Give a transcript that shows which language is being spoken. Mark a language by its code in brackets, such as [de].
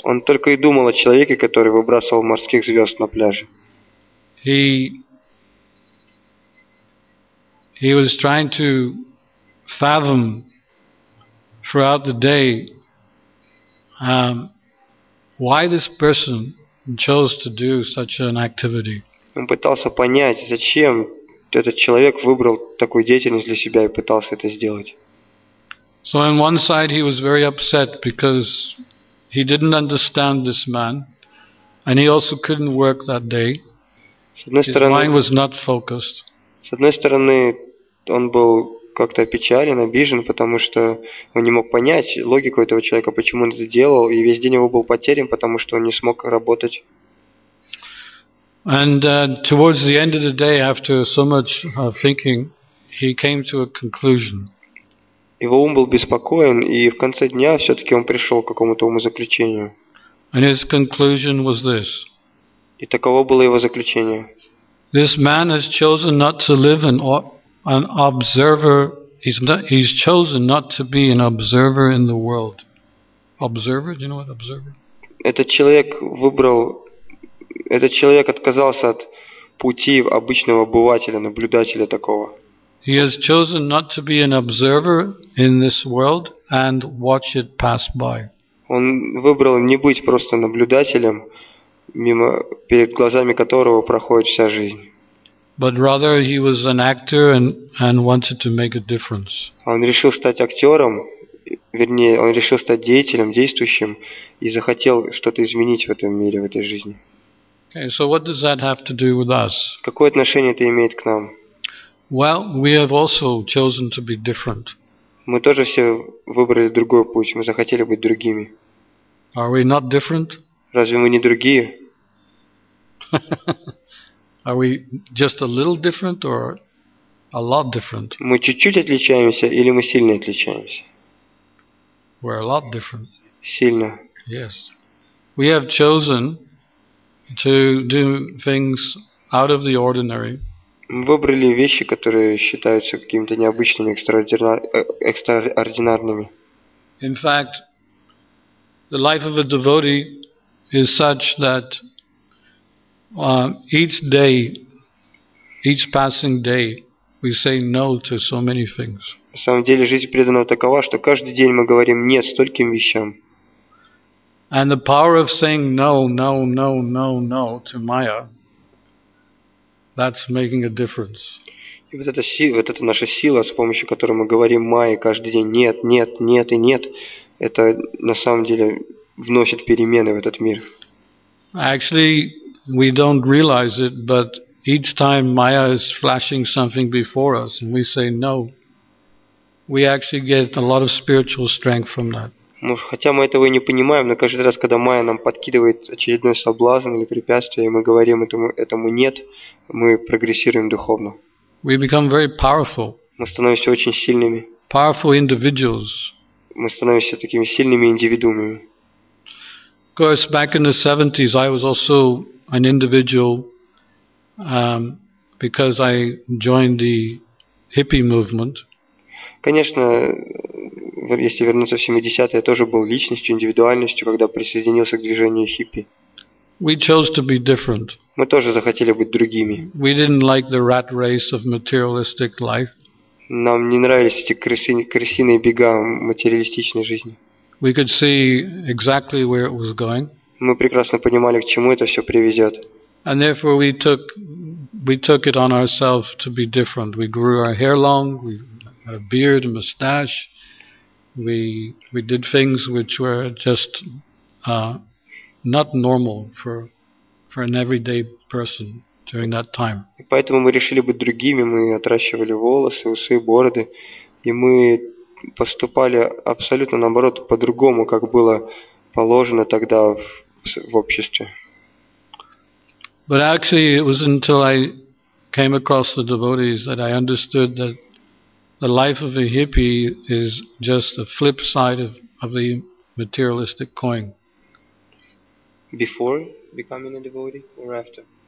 [ru] Он только и думал о человеке, который выбрасывал морских звёзд на пляже. [en] He was trying to fathom throughout the day why this person chose to do such an activity. [ru] Он пытался понять, зачем этот человек выбрал такую деятельность для себя и пытался это сделать. [en] So on one side he was very upset because he didn't understand this man, and he also couldn't work that day. His mind was not focused. [ru] С одной стороны, он был как-то опечален, обижен, потому что он не мог понять логику этого человека, почему он это делал, и весь день его был потерян, потому что он не смог работать. [en] And towards the end of the day, after so much thinking, he came to a conclusion. [ru] Его ум был беспокоен, и в конце дня всё-таки он пришёл к какому-то умозаключению. [en] And his conclusion was this. [ru] И таково было его заключение. [en] This man has chosen not to live an observer. He's chosen not to be an observer in the world. Observer? Do you know what observer? [ru] Этот человек выбрал. Этот человек отказался от пути обычного обывателя, наблюдателя такого. [en] He has chosen not to be an observer in this world and watch it pass by. [ru] Он выбрал не быть просто наблюдателем, мимо перед глазами которого проходит вся жизнь. [en] But rather he was an actor and wanted to make a difference. [ru] Он решил стать актёром, вернее, он решил стать деятелем, действующим, и захотел что-то изменить в этом мире, в этой жизни. [en] Okay, so what does that have to do with us? [ru] Какое отношение это имеет к нам? [en] Well, we have also chosen to be different. [ru] Мы тоже все выбрали другой путь, мы захотели быть другими. [en] Are we not different? [ru] Разве мы не другие? [en] Are we just a little different or a lot different? [ru] Мы чуть-чуть отличаемся или мы сильно отличаемся? [en] We're a lot different. [ru] Сильно. [en] Yes. We have chosen to do things out of the ordinary. [ru] Мы выбрали вещи, которые считаются какими-то необычными, экстраординарными. [en] In fact, the life of a devotee is such that each day, each passing day, We say no to so many things. [ru] На самом деле жизнь преданного такова, что каждый день мы говорим нет стольким вещам. [en] And the power of saying no, no, no, no, no to Maya, that's making a difference. [ru] И вот эта сила, вот эта наша сила, с помощью которой мы говорим Майе каждый день нет, нет, нет и нет, это на самом деле вносит перемены в этот мир. [en] Actually, we don't realize it, but each time Maya is flashing something before us and we say no, we actually get a lot of spiritual strength from that. [ru] Хотя мы этого и не понимаем, но каждый раз, когда Майя нам подкидывает очередной соблазн или препятствие, и мы говорим этому нет, мы прогрессируем духовно. [en] We become very powerful. [ru] Мы становимся очень сильными. [en] Powerful individuals. [ru] Мы становимся такими сильными индивидуумами. [en] Of course, back in the 70s, I was also an individual because I joined the hippie movement. [ru] Конечно, если вернуться в 70-е, я тоже был личностью, индивидуальностью, когда присоединился к движению хиппи. [en] We chose to be different. [ru] Мы тоже захотели быть другими. [en] We didn't like the rat race of materialistic life. [ru] Нам не нравились эти крысиные бега материалистичной жизни. [en] We could see exactly where it was going. [ru] Мы прекрасно понимали, к чему это все приведет. [en] And therefore we took it on ourselves to be different. We grew our hair long, we had a beard, a mustache. We did things which were just not normal for an everyday person during that time. [ru] Поэтому мы решили быть другими. Мы отращивали волосы, усы, бороды, и мы поступали абсолютно наоборот по-другому, как было положено тогда в обществе. [en] But actually, it was until I came across the devotees that I understood that the life of a hippie is just a flip side of the materialistic coin. Before becoming a devotee or after?